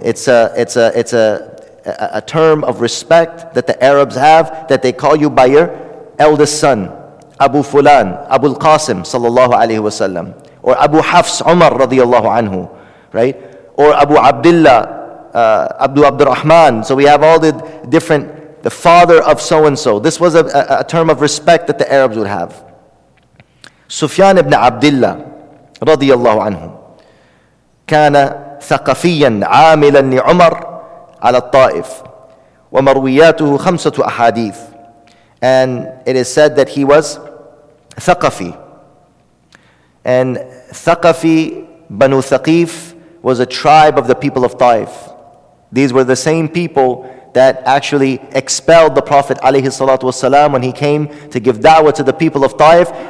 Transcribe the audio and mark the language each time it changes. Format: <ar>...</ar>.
<en>It's a term of respect that the Arabs have, that they call you by your eldest son, Abu Fulan, Abu al-Qasim sallallahu alayhi wa sallam, or Abu Hafs Umar radiallahu anhu, right? Or Abu Abdullah, Abdul Abdurrahman. So we have all the different, the father of so and so. This was a term of respect that the Arabs would have.</en> <ar>Sufyan ibn Abdullah radiallahu anhu kana ثقافيا عاملا لعمر على الطائف ومروياته خمسة أحاديث.</ar> <en>And it is said that he was ثقافي. And ثقافي بنو ثقيف was a tribe of the people of Taif. These were the same people that actually expelled the Prophet عليه الصلاة والسلام when he came to give da'wah to the people of Taif.</en>